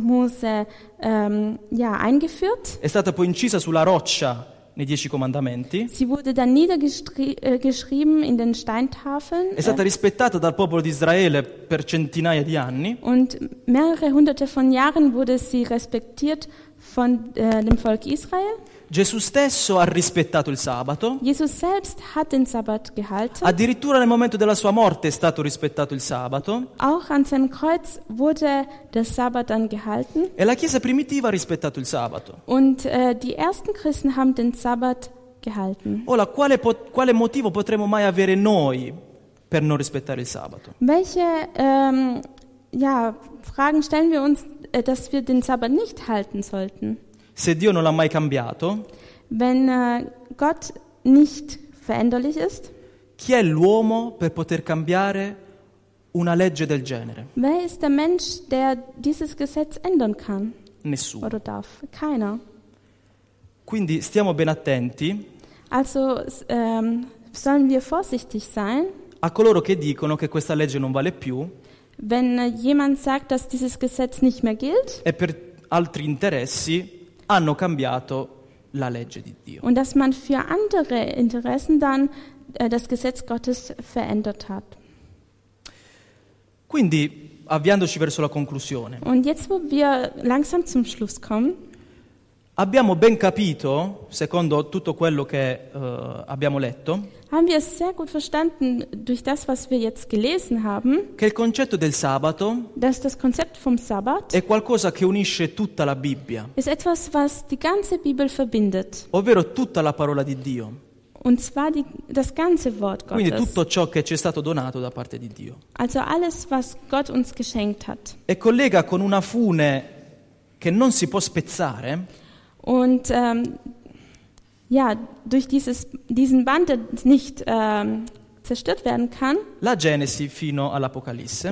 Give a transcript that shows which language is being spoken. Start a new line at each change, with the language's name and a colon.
German: Mose eingeführt.
Italian: È stata poi incisa sulla roccia nei 10 comandamenti.
German: Sie wurde dann niedergeschrieben in den Steintafeln.
Italian: È stata rispettata dal popolo di Israele per centinaia di anni.
German: Und mehrere hunderte von Jahren wurde sie respektiert von dem Volk Israel.
Italian: Gesù stesso ha rispettato il sabato.
German: Jesus selbst hat den Sabbat gehalten.
Italian: Addirittura nel momento della sua morte è stato rispettato il sabato.
German: Auch an seinem Kreuz wurde der Sabbat dann gehalten.
Italian: E la Chiesa primitiva ha rispettato il sabato.
German: Und die ersten Christen haben den Sabbat gehalten.
Italian: Ora, quale motivo potremmo mai avere noi per non rispettare il sabato?
German: Welche Fragen stellen wir uns, dass wir den Sabbat nicht halten sollten?
Italian: Se Dio non l'ha mai cambiato,
German: wenn Gott nicht veränderlich ist,
Italian: chi è l'uomo per poter cambiare una legge del genere?
German: Wer ist der Mensch, der dieses Gesetz ändern kann?
Italian: Nessuno.
German: Oder darf? Keiner.
Italian: Quindi stiamo ben attenti.
German: Also sollen wir vorsichtig sein?
Italian: A coloro che dicono che questa legge non vale più,
German: wenn jemand sagt, dass dieses Gesetz nicht mehr gilt,
Italian: e per altri interessi hanno cambiato la legge di Dio.
German: Und dass man für andere Interessen dann das Gesetz Gottes verändert hat.
Italian: Quindi, avviandoci verso la conclusione.
German: Und jetzt, wo wir langsam zum Schluss kommen.
Italian: Abbiamo ben capito, secondo tutto quello che abbiamo letto,
German: haben wir es sehr gut verstanden durch das, was wir jetzt gelesen haben,
Italian: che il concetto del sabato,
German: dass das Konzept vom Sabbat,
Italian: è qualcosa che unisce tutta la Bibbia,
German: ist etwas, was die ganze Bibel verbindet,
Italian: ovvero tutta la parola di Dio,
German: und zwar das ganze Wort Gottes,
Italian: quindi tutto ciò che ci è stato donato da parte di Dio,
German: also alles, was Gott uns geschenkt hat,
Italian: e collega con una fune che non si può spezzare.
German: Und durch diesen Band, der nicht zerstört werden kann,
Italian: la Genesi fino all'Apocalisse,